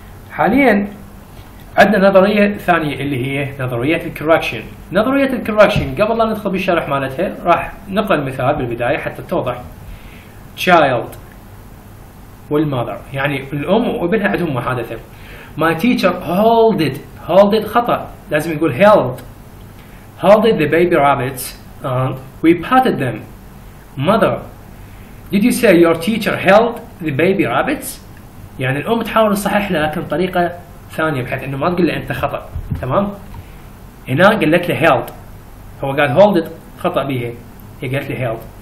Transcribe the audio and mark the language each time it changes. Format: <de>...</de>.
<ar>حاليا عندنا نظرية ثانية اللي هي نظرية الكوركشن. نظرية الكوركشن قبل لا ندخل بالشرح مالتها راح نقرأ المثال بالبداية حتى توضح. child والmother يعني الأم وابنها عندهم محادثة.</ar> <en>my teacher held it</en> <ar>خطأ لازم يقول</ar> <en>held the baby rabbits and we patted them. mother did you say your teacher held the baby rabbits؟</en> <ar>يعني الأم تحاول تصحح له لكن طريقة ثانية بحيث إنه ما تقول له أنت خطأ. تمام؟ هنا قلت له held هو قال</ar> <en>hold it</en> <ar>خطأ بيها هي قالت له held.</ar>